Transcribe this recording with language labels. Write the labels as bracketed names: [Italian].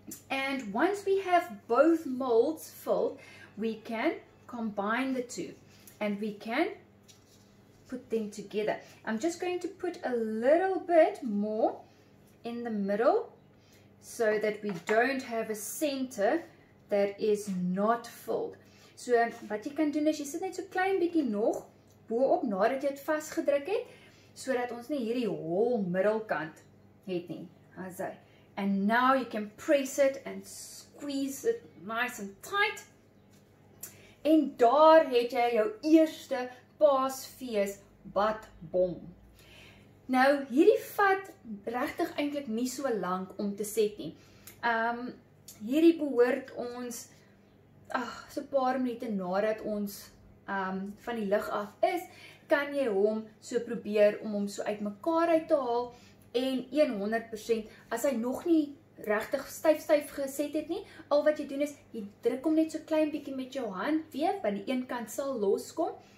[English] And once we have both molds filled, we can combine the two. And we can put them together. I'm just going to put a little bit more in the middle, so that we don't have a center that is not filled. [Afrikaans] So wat jy kan doen is, jy sit net so klein bietjie nog boop, nadat jy het vastgedruk het, so dat ons nie hierdie hol middelkant het nie. And now you can press it and squeeze it nice and tight. En daar het jy jou eerste paasfees badbom. Nou, hierdie vat regtig eintlik nie so lank om te set nie. Hierdie behoort ons so 'n paar minute nadat ons van die lig af is, kan jy hom so probeer om hom so uitmekaar uit te haal en 100% as hy nog nie regtig styf geset het nie, al wat jy doen is jy druk hom net so klein bietjie met jou hand weer, want die een kant sal loskom.